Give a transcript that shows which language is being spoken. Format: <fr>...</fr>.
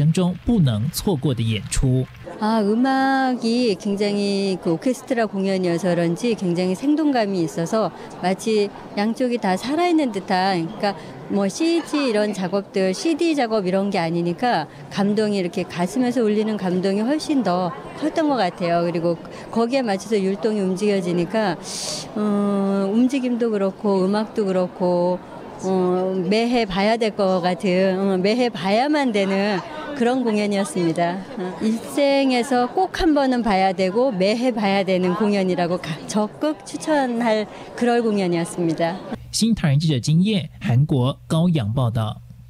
<zh>沈韵独特的中西合璧原创音乐让观众陶醉其中，连连称赞沈韵是人生中不能错过的演出。</zh> <ko>아, 음악이 굉장히 그 오케스트라 공연이어서 그런지 굉장히 생동감이 있어서 마치 양쪽이 다 살아있는 듯한, 그러니까 뭐 CG 이런 작업들, CD 작업 이런 게 아니니까 감동이 이렇게 가슴에서 울리는 감동이 훨씬 더 컸던 것 같아요. 그리고 거기에 맞춰서 율동이 움직여지니까, 움직임도 그렇고 음악도 그렇고, 매해 봐야 될 것 같은, 매해 봐야만 되는 그런 공연이었습니다. 일생에서 꼭 한 번은 봐야 되고 매해 봐야 되는 공연이라고 적극 추천할 그럴 공연이었습니다.</ko> <zh>신타임记者金燕，韩国高阳报道。</zh>